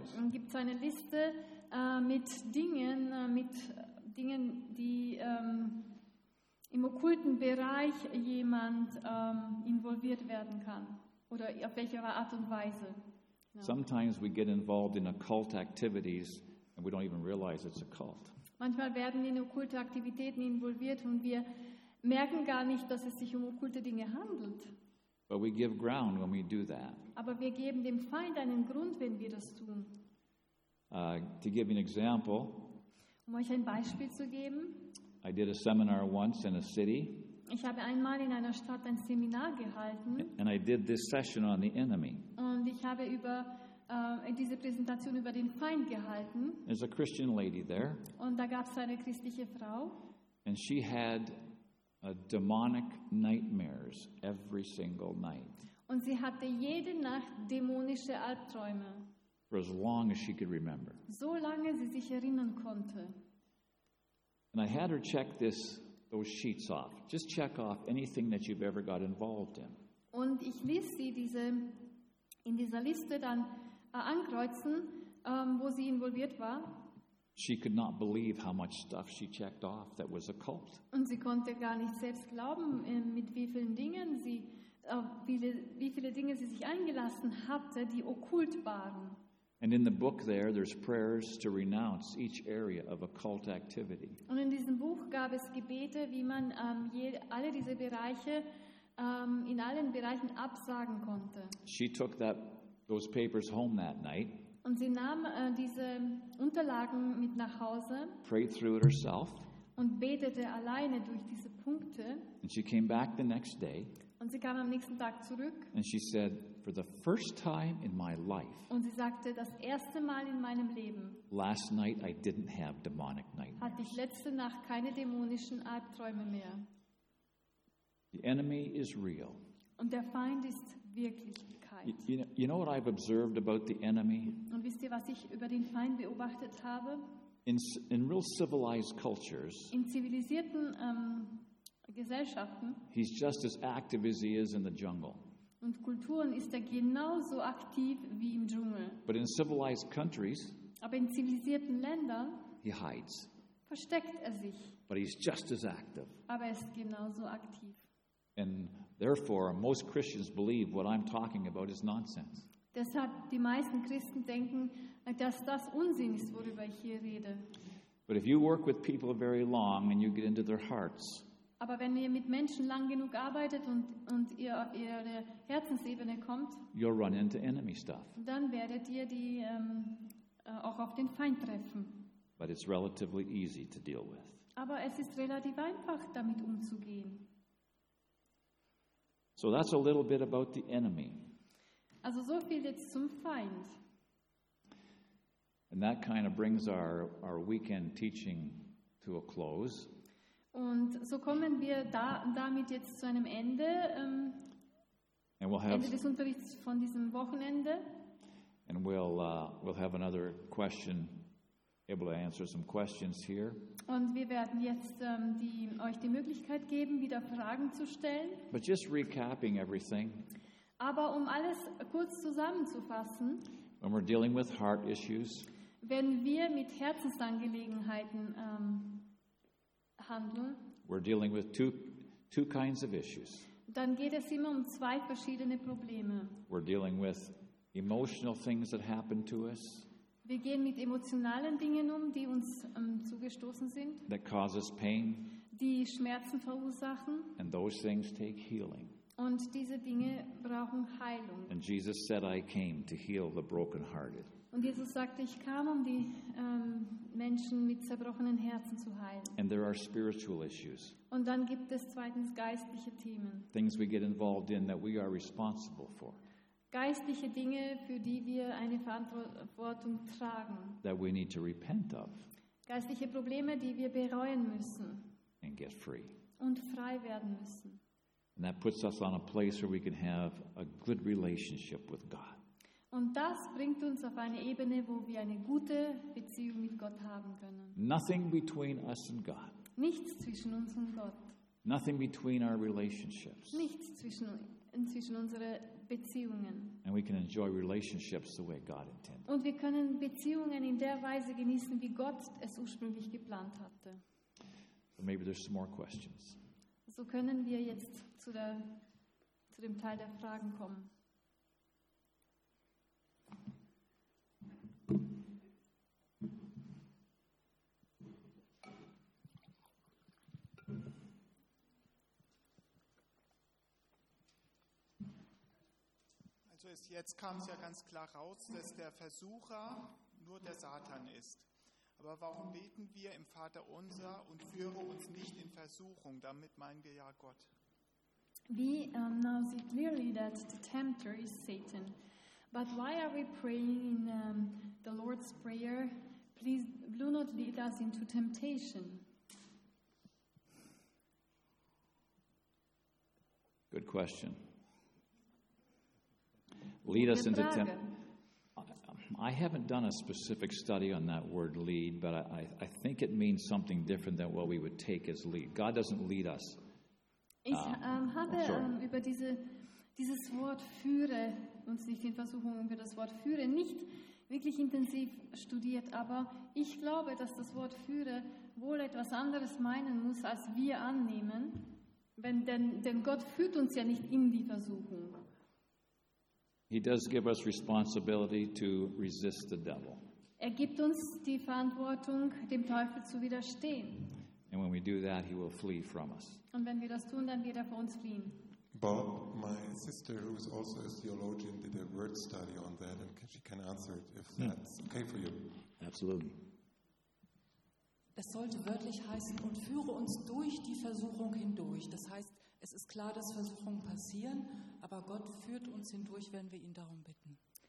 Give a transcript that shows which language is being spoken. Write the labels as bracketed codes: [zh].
[de] Gibt's eine Liste mit Dingen, die im okkulten Bereich jemand involviert werden kann oder auf welche Art und Weise. [en] Sometimes we get involved in occult activities and we don't even realize it's occult. [de] Manchmal werden wir in okkulte Aktivitäten involviert und wir merken gar nicht, dass es sich um okkulte Dinge handelt. [en] But we give ground when we do that. [de] Aber wir geben dem Feind einen Grund, wenn wir das tun. [en] To give an example, [de] um euch ein Beispiel zu geben, [en] I did a seminar once in a city. [de] Ich habe einmal in einer Stadt ein Seminar gehalten. [en] And I did this session on the enemy. [de] Und ich habe über diese Präsentation über den Feind gehalten. [en] There's a Christian lady there. [de] Und da gab es eine christliche Frau. [en] And she had demonic nightmares every single night. [de] Und sie hatte jede Nacht dämonische Albträume. [en] For as long as she could remember. [de] So lange sie sich erinnern konnte. [en] And I had her check those sheets off. Just check off anything that you've ever got involved in. [de] Und ich ließ sie in dieser Liste dann ankreuzen, wo sie involviert war. [en] She could not believe how much stuff she checked off that was occult. [de] Und sie konnte gar nicht selbst glauben, mit wie viele Dinge sie sich eingelassen hatte, die okkult waren. [en] And in the book there, there's prayers to renounce each area of occult activity. [de] Und in diesem Buch gab es Gebete, wie man alle diese Bereiche in allen Bereichen absagen konnte. [en] She took those papers home that night. [de] Und sie nahm diese Unterlagen mit nach Hause. [en] Prayed through it herself. [de] Und betete alleine durch diese Punkte. [en] And she came back the next day. [de] Und sie kam am nächsten Tag zurück. [en] And she said, for the first time in my life. [de] Und sie sagte, das erste Mal in meinem Leben. [en] Last night I didn't have demonic nightmares. [de] Hatte ich letzte Nacht keine dämonischen Albträume mehr. [en] The enemy is real. [de] Und der Feind ist Wirklichkeit. [en] You know what I've observed about the enemy? [de] Und wisst ihr, was ich über den Feind beobachtet habe? [en] In real civilized cultures. [de] In zivilisierten Gesellschaften. [en] He's just as active as he is in the jungle. [de] Und Kulturen ist er genauso aktiv wie im Dschungel. [en] But in civilized countries, [de] aber in zivilisierten Ländern, [en] he hides. [de] Versteckt er sich. [en] But he's just as active. [de] Aber er ist genauso aktiv. [en] And therefore, most Christians believe what I'm talking about is nonsense. [de] Deshalb die meisten Christen denken, dass das Unsinn ist, worüber ich hier rede. [en] But if you work with people very long and you get into their hearts, [de] aber wenn ihr mit Menschen lang genug arbeitet und ihr auf ihre Herzensebene kommt, [en] you'll run into enemy stuff. [de] Dann werdet ihr die auch auf den Feind treffen. [en] But it's relatively easy to deal with. [de] Aber es ist relativ einfach, damit umzugehen. [en] So that's a little bit about the enemy. [de] Also so viel jetzt zum Feind. [en] And that kind of brings our weekend teaching to a close. [de] Und so kommen wir damit jetzt zu einem Ende, Ende des Unterrichts von diesem Wochenende. [en] And we'll have another question, able to answer some questions here. [de] Und wir werden jetzt euch die Möglichkeit geben, wieder Fragen zu stellen. [en] But just recapping everything. [de] Aber um alles kurz zusammenzufassen. [en] When we're dealing with heart issues. [de] Wenn wir mit Herzensangelegenheiten handeln, [en] we're dealing with two kinds of issues. [de] Dann geht es immer um zwei verschiedene Probleme. [en] We're dealing with emotional things that happen to us. [de] Wir gehen mit emotionalen Dingen um, die uns zugestoßen sind. [en] That causes pain. [de] Die Schmerzen verursachen. [en] And those things take healing. [de] Und diese Dinge brauchen Heilung. [en] And Jesus said, "I came to heal the brokenhearted." [de] Und Jesus sagte, ich kam, um die Menschen mit zerbrochenen Herzen zu heilen. [en] And there are spiritual issues. [de] Und dann gibt es zweitens geistliche Themen. [en] Things we get involved in that we are responsible for. [de] Geistliche Dinge, für die wir eine Verantwortung tragen. [en] That we need to repent of. [de] Geistliche Probleme, die wir bereuen müssen. [en] And get free. [de] Und frei werden müssen. [en] And that puts us on a place where we can have a good relationship with God. [de] Und das bringt uns auf eine Ebene, wo wir eine gute Beziehung mit Gott haben können. [en] Nothing between us and God. [de] Nichts zwischen uns und Gott. [en] Nothing between our relationships. [de] Nichts zwischen unsere Beziehungen. [en] And we can enjoy relationships the way God intended. [de] Und wir können Beziehungen in der Weise genießen, wie Gott es ursprünglich geplant hatte. [en] So maybe there's some more questions. [de] So können wir jetzt zu dem Teil der Fragen kommen. Jetzt kam es ja ganz klar raus, dass der Versucher nur der Satan ist. Aber warum beten wir im Vaterunser und führe uns nicht in Versuchung? Damit meinen wir ja Gott. [en] We now see clearly that the tempter is Satan. But why are we praying in the Lord's Prayer? Please do not lead us into temptation. Good question. Lead us into I haven't done a specific study on that word lead, but I think it means something different than what we would take as lead. God doesn't lead us. [de] Ich habe über dieses Wort führe uns nicht in Versuchung, über das Wort führe nicht wirklich intensiv studiert, aber ich glaube, dass das Wort führe wohl etwas anderes meinen muss, als wir annehmen, denn Gott führt uns ja nicht in die Versuchung. [en] He does give us responsibility to resist the devil. [de] Er gibt uns die Verantwortung, dem Teufel zu widerstehen. [en] And when we do that, he will flee from us. [de] Und wenn wir das tun, dann wird er vor uns fliehen. [en] Bob, my sister, who is also a theologian, did a word study on that, and she can answer it if that's okay for you. Absolutely. [de] Es sollte wörtlich heißen, und führe uns durch die Versuchung hindurch. Das heißt, es ist klar, dass Versuchungen passieren, aber Gott führt uns hindurch, wenn wir ihn darum bitten.